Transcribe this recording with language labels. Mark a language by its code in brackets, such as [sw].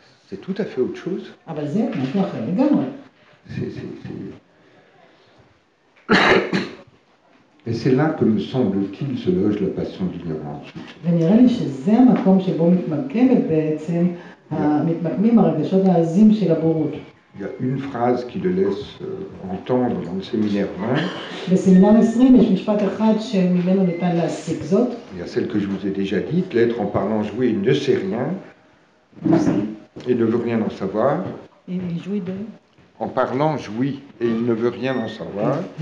[fr] C'est tout à fait autre chose. [he] אבל זה משהו אחר לגמרי. [fr] Et c'est là que me semble-t-il se loge la passion de l'ignorance. [he] ונראה לי שזה המקום שבו מתמקמת בעצם, מתמקמים הרגשות העזים של הבורות. [fr] Il y a une phrase qui le laisse entendre dans le séminaire 20. [he] בסמינר 20 יש משפט אחד שממנו ניתן להסיק זאת. [fr] Il y a celle que je vous ai déjà dite, l'être en parlant jouit ne sait rien et ne veut rien en savoir. Et il jouit de... En parlant, jouit et il ne veut rien en savoir.